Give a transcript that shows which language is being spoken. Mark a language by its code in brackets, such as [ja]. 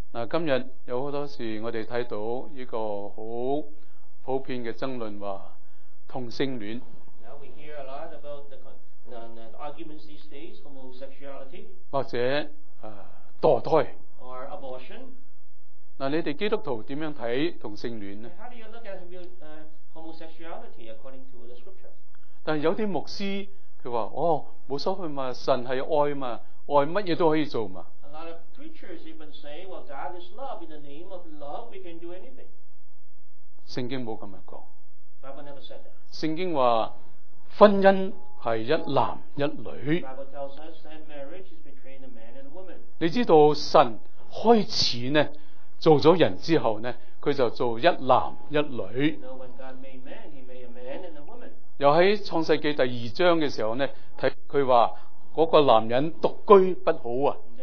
[zh] 今天有很多时我们看到这个很普遍的争论，说同性恋。 [en] Now we hear a lot about the arguments these days, homosexuality. [zh] 或者堕胎。 [en] Or abortion. [zh] 那你们基督徒怎样看同性恋呢？ [en] How do you look at homosexuality according to the scripture? [zh] 但有些牧师他说，哦，无所谓嘛，神是爱嘛，爱什么都可以做嘛。 [en] A lot of preachers even say, well, God is love. In the name of love, we can do anything. [zh] 圣经没这么说。 [en] Bible never said that. [zh] 圣经说婚姻是一男一女。 [en] Bible tells us that marriage is between a man and a woman. [zh] 你知道神开始呢做了人之后呢，他就做一男一女。 [en] You know, when God made man, he made a man and a woman. [zh] 又在创世纪第二章的时候呢，他说那个男人独居不好啊。